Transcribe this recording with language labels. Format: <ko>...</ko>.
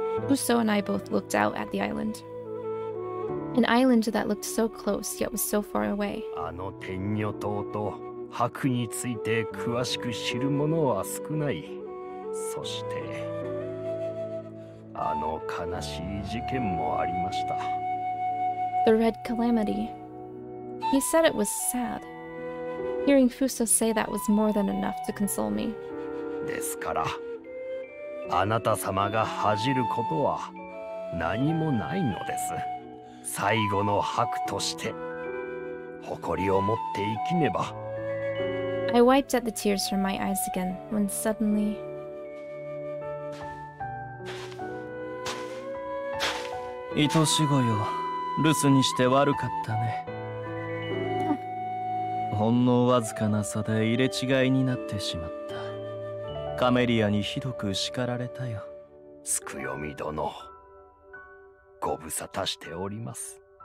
<en>Uso and I both looked out at the island. An island that looked so close, yet was so far away.</en> <ja>あの天女島と白について詳しく知る者は少ない。そして、あの悲しい事件もありました。</ja> <en>The Red Calamity. He said it was sad. Hearing Fuso say that was more than enough to console me.</en> <ja>ですから、あなた様が恥じることは何もないのです。最後の白として、誇りを持って生きねば。</ja> <en>I wiped at the tears from my eyes again, when suddenly...</en> <ja>愛しごよ、留守にして悪かったね。ほんのわずかな差で入れ違いになってしまった。カメリアにひどく叱られたよ。スクヨミ殿、ご無沙汰しております。</ja>